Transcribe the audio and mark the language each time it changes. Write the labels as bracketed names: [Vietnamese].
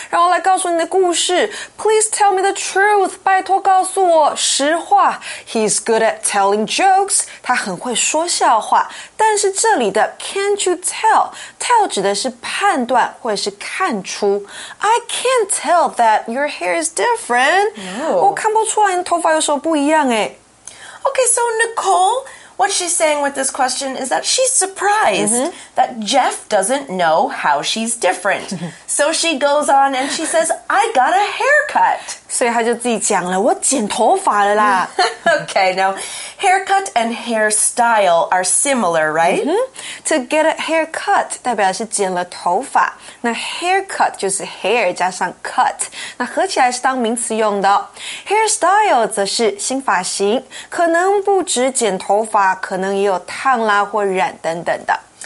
[Chinese] 让我来告诉你的故事。 [English] Please tell me the truth. [Chinese] 拜托告诉我实话。 [English] He's good at telling jokes. [Chinese] 他很会说笑话。但是这里的 [English] can't you tell? [Chinese] Tell 指的是判断或者是看出。 [English] I can't tell that your hair is different. No. [Chinese] 我看不出来你头发有什么不一样诶。 [English] Okay, so Nicole, what she's saying with this question is that she's surprised mm-hmm. that Jeff doesn't know how she's different. So she goes on and she says, I got a haircut. [Chinese] 所以她就自己讲了，我剪头发了啦。 [English] Okay, now, haircut and hairstyle are similar, right? Mm-hmm. To get a haircut [Chinese] 代表是剪了头发。那 haircut 就是 hair 加上 cut, 那合起来是当名词用的。 Hairstyle 则是新发型，可能不止剪头发，可能也有烫啦或染等等的。